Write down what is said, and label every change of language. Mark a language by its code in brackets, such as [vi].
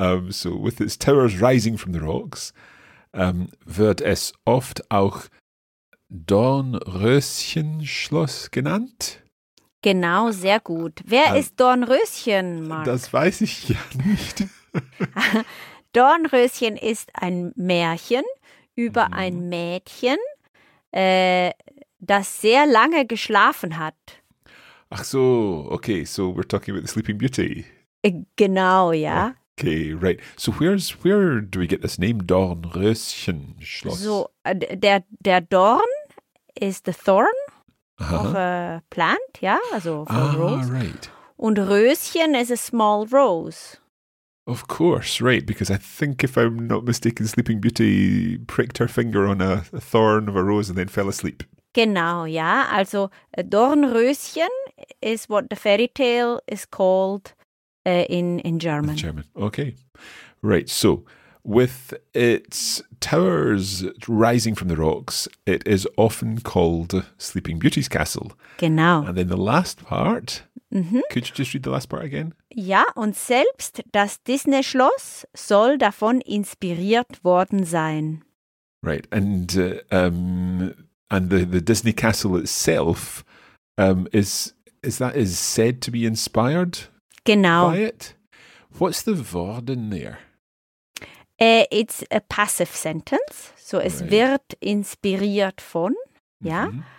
[en] So with its towers rising from the rocks, [de] wird es oft auch Dornröschenschloss genannt? Genau, sehr gut. Wer ist Dornröschen, Mark? Das weiß ich ja nicht. Dornröschen ist ein Märchen über ein Mädchen, das sehr lange geschlafen hat. Ach so, [en] okay, so we're talking about the Sleeping Beauty. [de] Genau, ja. [en] Okay, right. So where do we get this name, Dornröschen Schloss? So, [de] der Dorn ist [en] the thorn of a plant, ja, also of a rose. Right. [de] Und [en] Röschen is a small rose. Of course, right, because I think if I'm not mistaken, Sleeping Beauty pricked her finger on a thorn of a rose and then fell asleep. [de] Genau, ja, [en] also Dornröschen is what the fairy tale is called in German. In German, okay. Right, so with its towers rising from the rocks, it is often called Sleeping Beauty's castle. Genau. And then the last part... Mm-hmm. Could you just read the last part again? [de] Ja, und selbst das Disney-Schloss soll davon inspiriert worden sein. [en] Right, and the Disney castle itself is said to be inspired. [de] Genau. [en] By it. What's the worden there? It's a passive sentence, so es right. [de] wird inspiriert von. [en] Mm-hmm. Ja.